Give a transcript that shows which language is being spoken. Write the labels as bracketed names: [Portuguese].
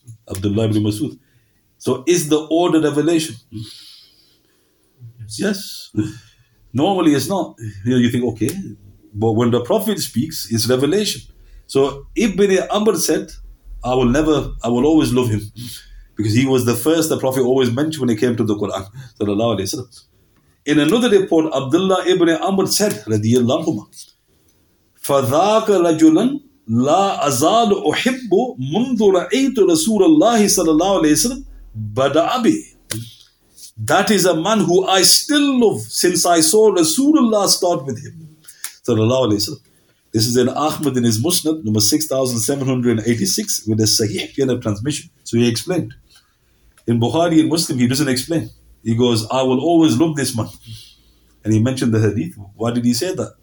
[English] Abdullah ibn Masood. So is the order revelation? Yes. Normally it's not. You know, you think, okay. But when the Prophet speaks, it's revelation. So Ibn Amr said, I will always love him. Because he was the first the Prophet always mentioned when he came to the Quran. Sallallahu alayhi wa sallam. In another report, Abdullah ibn Amr said, [Arabic] radiyallahu anhu, فَذَاكَ رَجُلًا لَا أَزَالُ أُحِبُّ مُنْذُ رَأَيْتُ رَسُولَ اللَّهِ صَلَى اللَّهُ عَلَيْهِ وَسَلَمْ بَدَعَبِ. [English] That is a man who I still love since I saw Rasulullah start with him. Sallallahu alayhi wa sallam. This is in Ahmad in his Musnad, number 6786, with a Sahih transmission. So he explained. In Bukhari and Muslim, he doesn't explain. He goes, I will always love this man. And he mentioned the hadith. Why did he say that?